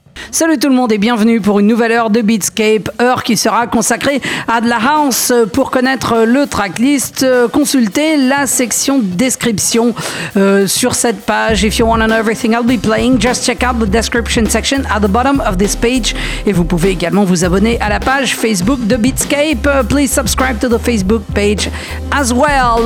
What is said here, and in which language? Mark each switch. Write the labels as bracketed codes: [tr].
[fr] Salut tout le monde et bienvenue pour une nouvelle heure de Beatscape, heure qui sera consacrée à de la house. Pour connaître le tracklist, consultez la section description sur cette page. [en] If you want to know everything I'll be playing, just check out the description section at the bottom of this page. [fr] Et vous pouvez également vous abonner à la page Facebook de Beatscape. [en] Please subscribe to the Facebook page as well.